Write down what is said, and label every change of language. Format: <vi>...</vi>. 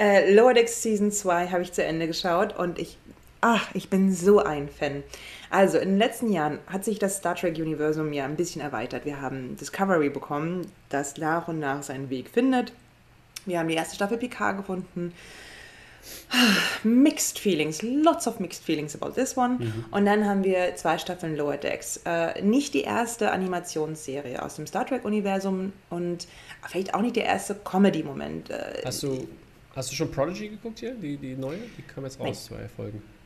<de>Lower Decks Season 2 habe ich zu Ende geschaut und ich bin so ein Fan. Also, in den letzten Jahren hat sich das Star Trek-Universum ja ein bisschen erweitert. Wir haben Discovery bekommen, das nach und nach seinen Weg findet. Wir haben die erste Staffel Picard gefunden.</de> <en>Mixed feelings, lots of mixed feelings about this one.</en> <de>Und dann haben wir 2 Staffeln Lower Decks. Nicht die erste Animationsserie aus dem Star Trek-Universum und vielleicht auch nicht der erste Comedy-Moment. Hast du schon Prodigy geguckt hier? Die neue? Die kam jetzt raus, 2 Folgen.</de>